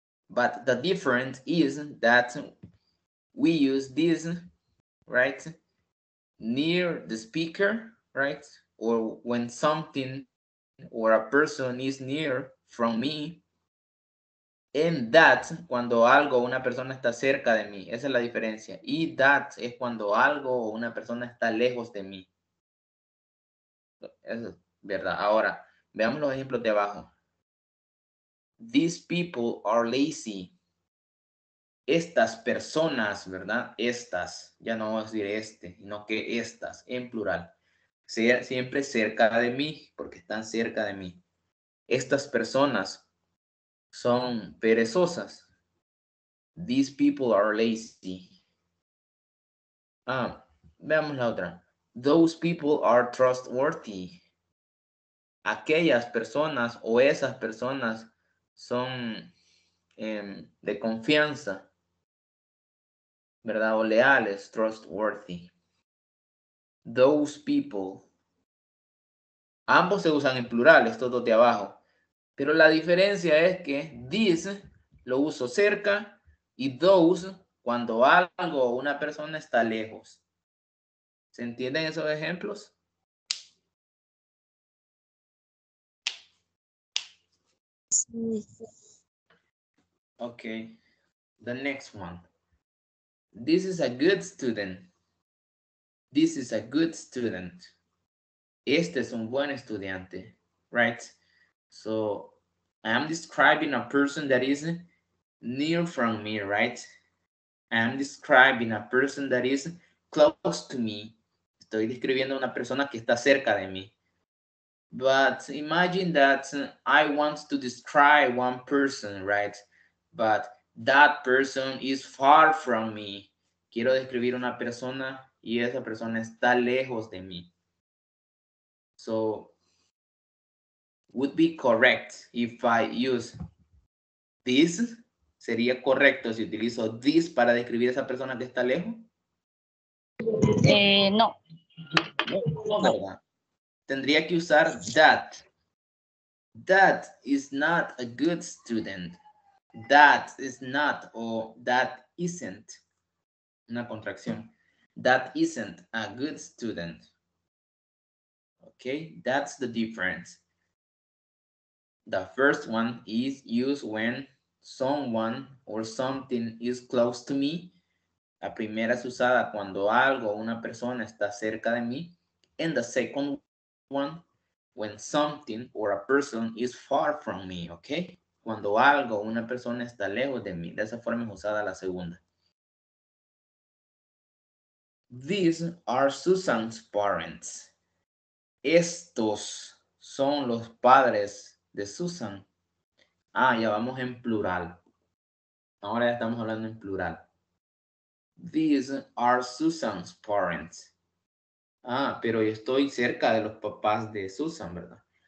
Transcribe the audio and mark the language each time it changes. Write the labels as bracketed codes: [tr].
[en] But the difference is that we use this, right, near the speaker, right, or when something or a person is near from me, and that, [es] cuando algo o una persona está cerca de mí. Esa es la diferencia. Y that es cuando algo o una persona está lejos de mí. Eso es verdad. Ahora, veamos los ejemplos de abajo. [en] These people are lazy. [es] Estas personas, ¿verdad? Estas. Ya no vamos a decir este, sino que estas, en plural. Sea siempre cerca de mí, porque están cerca de mí. Estas personas son perezosas. [en] These people are lazy. Ah, [es] veamos la otra. [en] Those people are trustworthy. [es] Aquellas personas o esas personas son de confianza, ¿verdad? O leales, [en] trustworthy. Those people. [es] Ambos se usan en plural, estos dos de abajo. Pero la diferencia es que this lo uso cerca y those cuando algo o una persona está lejos. ¿Se entienden esos ejemplos? Sí. [en] Ok. The next one. This is a good student. This is a good student. [es] Este es un buen estudiante. [en] Right? So... I am describing a person that is near from me, right? I am describing a person that is close to me. [es] Estoy describiendo una persona que está cerca de mí. [en] But imagine that I want to describe one person, right? But that person is far from me. [es] Quiero describir una persona y esa persona está lejos de mí. [en] So... would be correct if I use this. [es] ¿Sería correcto si utilizo this para describir a esa persona que está lejos? No. No. Tendría que usar that. [en] That is not a good student. That is not or that isn't. [es] Una contracción. [en] That isn't a good student. Okay, that's the difference. The first one is used when someone or something is close to me. [es] La primera es usada cuando algo o una persona está cerca de mí. [en] And the second one, when something or a person is far from me, okay? [es] Cuando algo o una persona está lejos de mí. De esa forma es usada la segunda. [en] These are Susan's parents. [es] Estos son los padres de Susan. Ah, ya vamos en plural. Ahora ya estamos hablando en plural. [en] These are Susan's parents. [es] Ah, pero yo estoy cerca de los papás de Susan, ¿verdad?